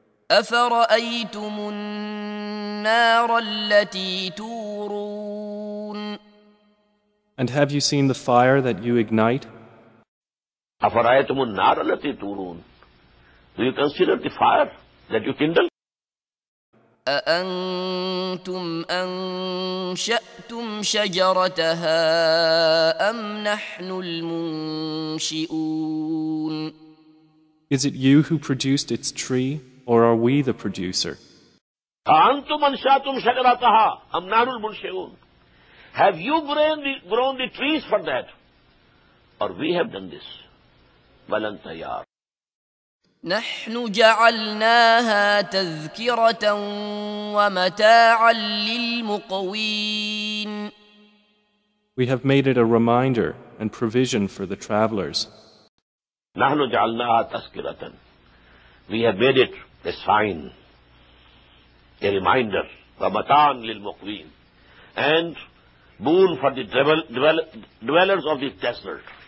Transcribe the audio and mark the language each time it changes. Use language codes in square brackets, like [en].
[ar] أَفَرَأَيْتُمُ النَّارَ الَّتِي تُورُونَ. [en] And have you seen the fire that you ignite? [ar] أَفَرَأَيْتُمُ النَّارَ الَّتِي تُورُونَ. [en] Do you consider the fire that you kindle? [ar] أأنتم أنشأتم شجرتها أم نحن المنشئون. [en] Is it you who produced its tree or are we the producer? [ar] أأنتم أنشأتم شجرتها أم نحن المنشئون. [en] Have you grown the trees for that or we have done this? [ar] بل أنت يا رب. نحن جعلناها تذكرة ومتاعا للمقوين. [en] We have made it a reminder and provision for the travelers. [ar] نحن جعلناها تذكرة. [en] We have made it a sign, a reminder, [ar] ومتاعا للمقوين, [en] and boon for the dwellers of the desert.